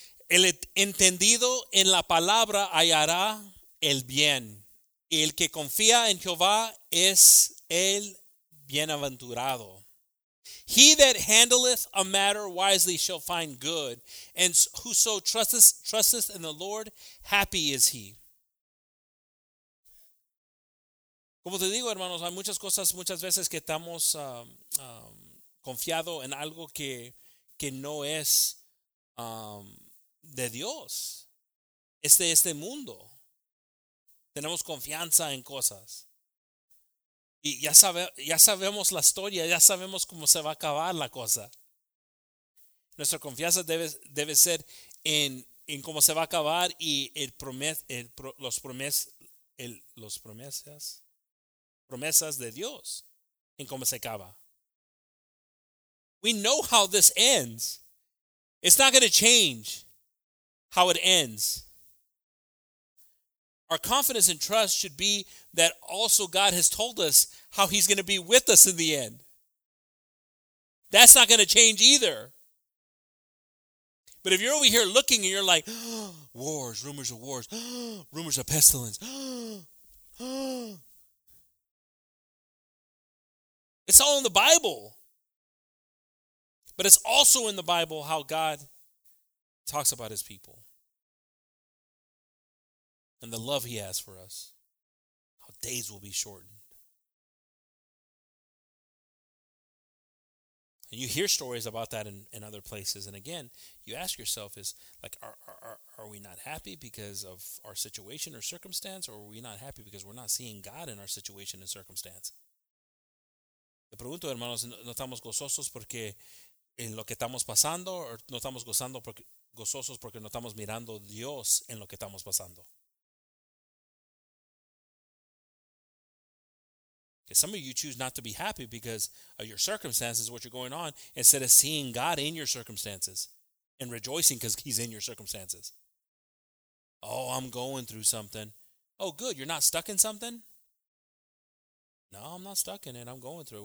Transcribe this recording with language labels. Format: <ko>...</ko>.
<es>El entendido en la palabra hallará el bien. Y el que confía en Jehová es el bienaventurado.</es> <en>He that handleth a matter wisely shall find good, and whoso trusteth in the Lord, happy is he.</en> <es>Como te digo, hermanos, hay muchas cosas, muchas veces que estamos confiado en algo que no es de Dios. Este mundo. Tenemos confianza en cosas. Y ya sabemos la historia, ya sabemos cómo se va a acabar la cosa. Nuestra confianza debe ser en cómo se va a acabar y las promesas de Dios en cómo se acaba.</es> <en>We know how this ends. It's not going to change how it ends. Our confidence and trust should be that also God has told us how he's going to be with us in the end. That's not going to change either. But if you're over here looking and you're like, oh, wars, rumors of wars, oh, rumors of pestilence, oh. It's all in the Bible. But it's also in the Bible how God talks about his people and the love he has for us, how days will be shortened. And you hear stories about that in other places. And again, you ask yourself, is like, are we not happy because of our situation or circumstance, or are we not happy because we're not seeing God in our situation and circumstance?</en> <es>Te pregunto, hermanos, ¿no estamos gozosos porque en lo que estamos pasando, o no estamos gozosos porque no estamos mirando a Dios en lo que estamos pasando?</es> <en>Some of you choose not to be happy because of your circumstances, what you're going on, instead of seeing God in your circumstances and rejoicing because he's in your circumstances. Oh, I'm going through something. Oh, good. You're not stuck in something? No, I'm not stuck in it. I'm going through it.</en>